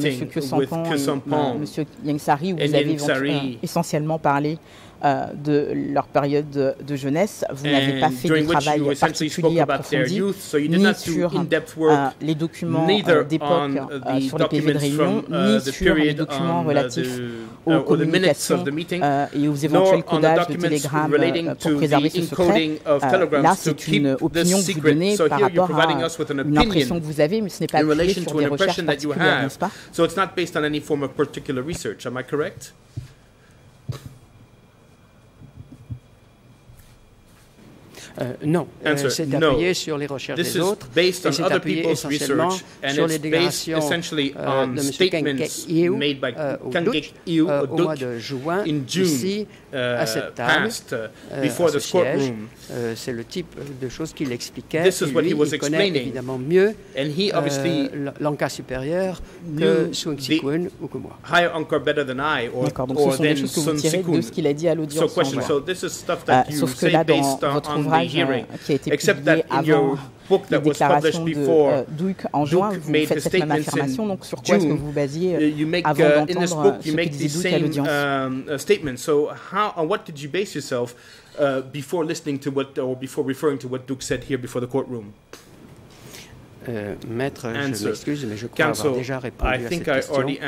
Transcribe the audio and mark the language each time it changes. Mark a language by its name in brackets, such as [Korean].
[French] Kyo Sampan et M. Yang Sari, où vous avez essentiellement parlé de leur période de jeunesse, vous n'avez pas fait de travail particulier approfondi ni sur les documents d'époque sur les PV de réunion, ni sur les documents relatifs aux communications et aux éventuels codages de télégrammes pour préserver ce secret. Là, c'est une opinion que vous donnez par rapport à une impression que vous avez, mais ce n'est pas basé sur des recherches particulières, n'est-ce pas? [English] So it's not based on any form of particular research, am I correct? [French] Non, c'est appuyé sur les recherches des autres, et c'est appuyé essentiellement sur les déclarations de M. Kang-Kiew au mois de juin, ici, à cette table, à ce siège. C'est le type de choses qu'il expliquait, et lui, il connaît évidemment mieux l'ANCA supérieur que Sun Sikun ou que moi. D'accord, donc ce sont des choses que vous tirez de ce qu'il a dit à l'audience. Sauf que là, dans votre ouvrage, qui a été publié avant les déclarations de Duke en juin, vous faites cette même affirmation. Donc, sur quoi est-ce que vous basiez avant d'entendre ce que disait Duke à l'audience? [English] Statement. So, on what did you base yourself before listening to what or before referring to what Duke said here before the courtroom? [French] Maître, je m'excuse, mais je crois avoir déjà répondu à cette question.